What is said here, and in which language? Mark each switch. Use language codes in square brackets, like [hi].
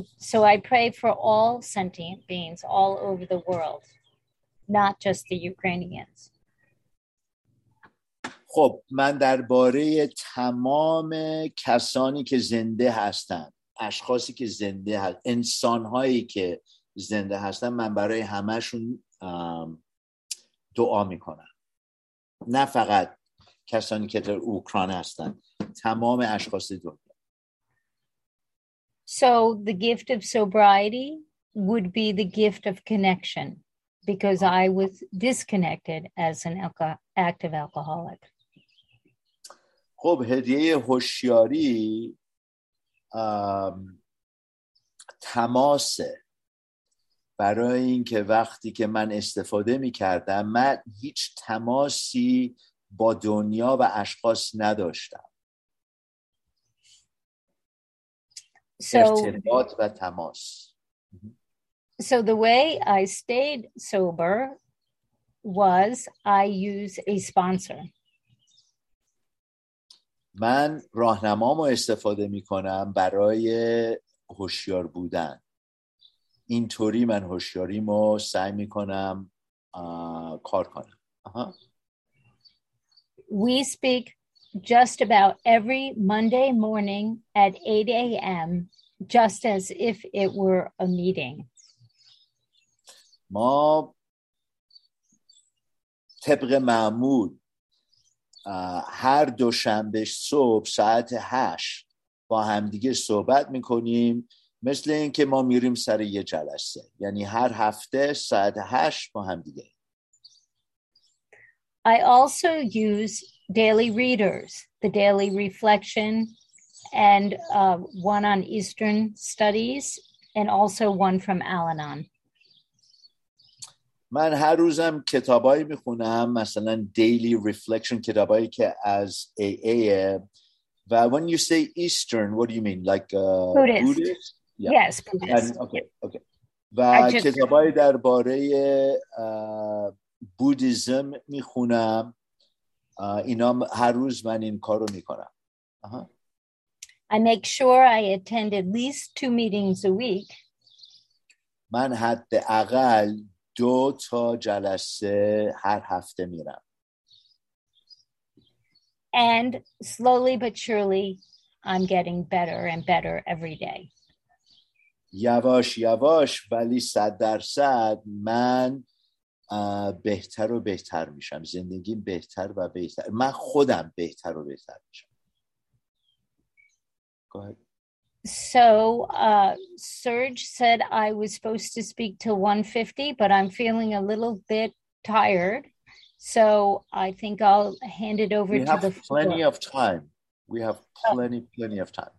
[en] So I pray for all sentient beings all over the world, not just the Ukrainians. [fa] خب من درباره تمام کسانی که زنده هستند، اشخاصی که زنده هستند، انسانهایی که زنده هستند، من برای همشون دعا میکنم، نه فقط کسانی که در اوکراین هستن، تمام اشخاص دنیا. [en] So the gift of sobriety would be the gift of connection because I was disconnected as an active alcoholic. [fa] خب هدیه هوشیاری تماسه، برای اینکه وقتی که من استفاده می‌کردم، من هیچ تماسی با دنیا و اشخاص نداشتم. ارتباط و تماس. [en] So the way I stayed sober was I use a sponsor. [fa] من راهنمامو استفاده می‌کنم برای هوشیار بودن. اینطوری من هوشیاریمو سعی میکنم کار کنم. [en] We speak just about every Monday morning at 8 a.m. just as if it were a meeting. [fa] ما طبق معمول هر دوشنبه صبح ساعت 8 با همدیگه صحبت میکنیم مثل اینکه ما میریم سر یه جلسه، یعنی هر هفته ساعت 8 با همدیگه. [en] I also use daily readers, the daily reflection, and one on Eastern studies, and also one from Al-Anon. [fa] من هر روزم کتابایی میخونم، مثلا daily reflection، کتابایی که از AA. [en] But when you say Eastern, what do you mean? Like Buddhist? Yeah. Yes, Buddhist. And, okay. [fa] و کتابای درباره بودیزم میخونم. اینا هر روز من این کارو میکنم. [en] I make sure I attend at least 2 meetings a week. [fa] من حداقل 2 تا جلسه هر هفته میرم. [en] And slowly but surely I'm getting better and better every day. [fa] یواش یواش ولی 100 درصد من بهتر و بهتر میشم، زندگیم بهتر و بهتر، من خودم بهتر و بهتر میشم. [en] Go ahead. So Serge said I was supposed to speak till 1:50, but I'm feeling a little bit tired, so I think I'll hand it over to the floor. We have plenty of time.